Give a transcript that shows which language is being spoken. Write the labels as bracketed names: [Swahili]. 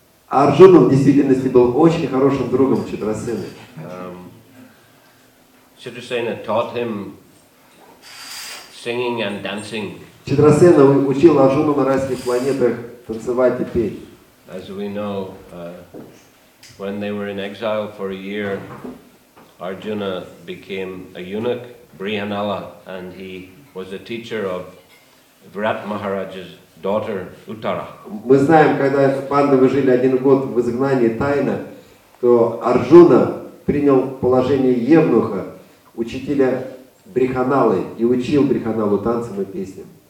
[Russian] Арджуна в действительности был очень хорошим другом Читрасены. [English] Chitrasena taught him singing and dancing. [Russian] Читрасена учил Арджуну на райских планетах танцевать и петь. [English] As we know, when they were in exile for a year, Arjuna became a eunuch, Brihanala, and he was a teacher of Virat Maharaj's daughter, Uttara. [Russian] Мы знаем, когда Пандавы жили один год в изгнании тайно, то Арджуна принял положение евнуха, учителя Бриханалы, и учил Бриханалу танцам и песням.